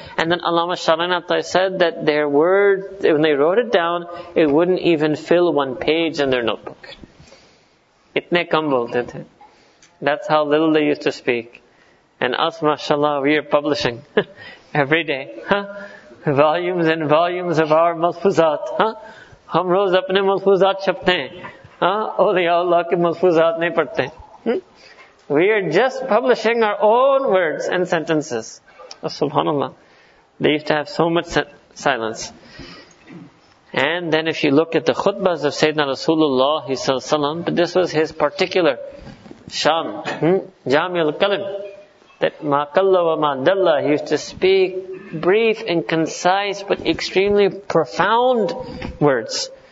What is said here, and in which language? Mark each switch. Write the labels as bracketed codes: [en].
[en] And then Allama Shalayn Atai said that their words, when they wrote it down, it wouldn't even fill one page in their notebook. [ur] Itne kam bolte the. [en] That's how little they used to speak. And us, mashallah, we are publishing every day. Huh? Volumes and volumes of our mafuzat. [ur] ہم روز اپنے ملفوظات چھاپتے ہیں۔ اللہ کے ملفوظات نہیں پڑھتے۔ [en] We are just publishing our own words and sentences. [ar] SubhanAllah. [en] They used to have so much silence. And then if you look at the khutbahs of Sayyidina Rasulullah, but this was his particular shan, Jami al-Kalim, that ma kalla wa ma dalla, he used to speak brief and concise but extremely profound words.